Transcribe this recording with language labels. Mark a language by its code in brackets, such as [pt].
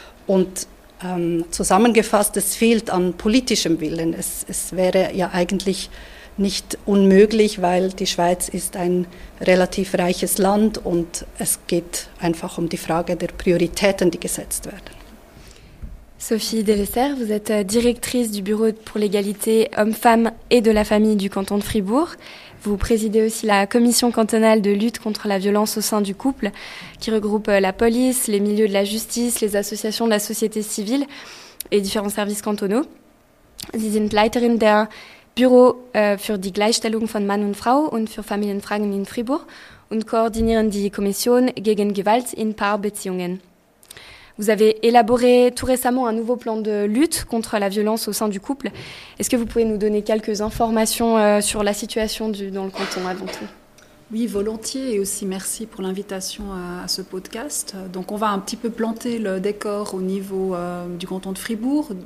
[de] Und zusammengefasst, es fehlt an politischem Willen. Es wäre ja eigentlich nicht unmöglich, weil die Schweiz ist ein relativ reiches Land und es geht einfach um die Frage der Prioritäten, die gesetzt werden. [fr] Sophie Delessert, vous êtes directrice du Bureau pour l'égalité hommes-femmes et de la famille du canton de Fribourg. Vous présidez aussi la commission cantonale de lutte contre la violence au sein du couple, qui regroupe la police, les milieux de la justice, les associations de la société civile et différents services cantonaux. [de] Sie sind Leiterin der Bureau für die Gleichstellung von Mann und Frau und für Familienfragen in Fribourg und koordinieren die Kommission gegen Gewalt in Paarbeziehungen. [fr] Vous avez élaboré tout récemment un nouveau plan de lutte contre la violence au sein du couple. Est-ce que vous pouvez nous donner quelques informations sur la situation dans le canton avant tout ? Oui, volontiers, et aussi merci pour l'invitation à ce podcast. Donc on va un petit peu planter le décor au niveau du canton de Fribourg.